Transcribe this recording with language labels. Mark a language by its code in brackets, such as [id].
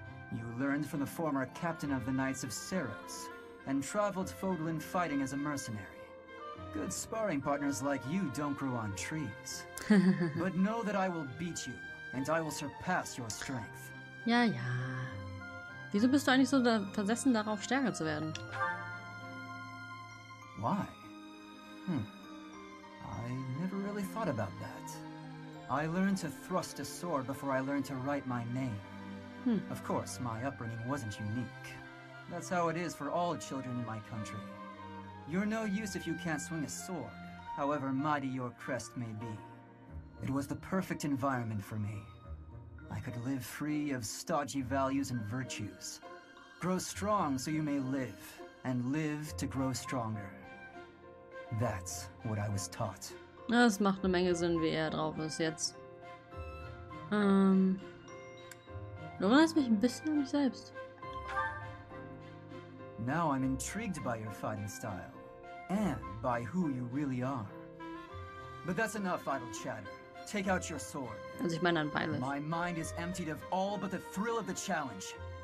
[en] You learned from the former captain of the Knights of Seros and traveled Fodlin fighting as a mercenary. Good sparring partners like you don't grow on trees. But know that I will beat you and I will surpass your strength. [de] Ja, ja. Wieso bist du eigentlich so versessen darauf, stärker zu werden? [en] Why? I never really thought about that. I learned to thrust a sword before I learned to write my name. Of course, my upbringing wasn't unique. That's how it is for all children in my country. You're no use if you can't swing a sword, however mighty your crest may be. It was the perfect environment for me. I could live free of stodgy values and virtues. Grow strong so you may live, and live to grow stronger. That's what I was taught. [de] Das macht eine Menge Sinn, wie er drauf ist jetzt. Du erinnerst mich ein bisschen an mich selbst. [en] Now I'm intrigued by your fighting style and by who you really are. But that's enough idle chatter. Take out your sword. [de] Also ich meine ein Beil. [en] My mind is emptied of all but the thrill of the challenge.